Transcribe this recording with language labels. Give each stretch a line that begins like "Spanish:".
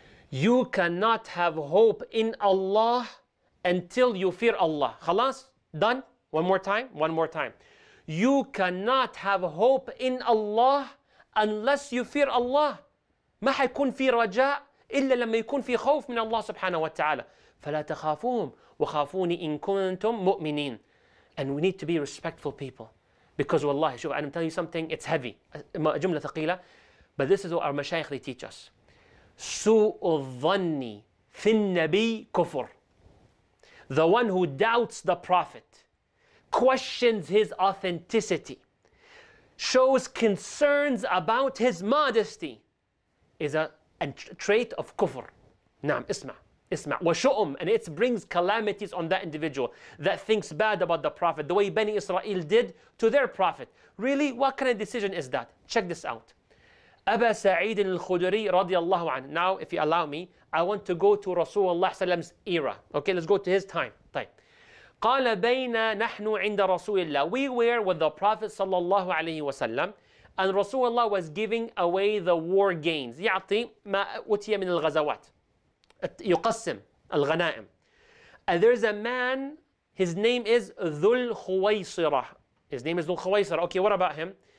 English: You cannot have hope in Allah until you fear Allah.
Arabic: خلاص?
English: Done? One more time? One more time. You cannot have hope in Allah unless you fear Allah.
Arabic: ما حيكون في رجاء إلا لما يكون في خوف من الله سبحانه وتعالى فلا تخافوهم وخافوني إن كنتم مؤمنين.
English: And we need to be respectful people. Because wallahi,
Arabic: شوف,
English: I'm telling you something, it's heavy.
Arabic: جملة ثقيلة.
English: But this is what our mashayikh they teach us.
Arabic: سوء الظن في النبي كفر.
English: The one who doubts the prophet, questions his authenticity, shows concerns about his modesty, is a trait of kufr.
Arabic: نعم, اسمع. اسمع.
English: وشؤم, and it brings calamities on that individual that thinks bad about the prophet, the way Bani Israel did to their prophet. Really, what kind of decision is that? Check this out.
Arabic: أبا سعيد الخدري رضي الله عنه.
English: Now, if you allow me, I want to go to Rasulullah Sallam's era. Okay, let's go to his time.
Arabic: طيب. قال بين نحن عند رسول الله.
English: We were with the Prophet
Arabic: صلى الله عليه وسلم.
English: And Rasulullah was giving away the war gains.
Arabic: يعطي ما أتي من الغزوات. يقسم الغنائم.
English: And there's a man, his name is ذو الخويصرة. His name is ذو الخويصرة. Okay, what about him?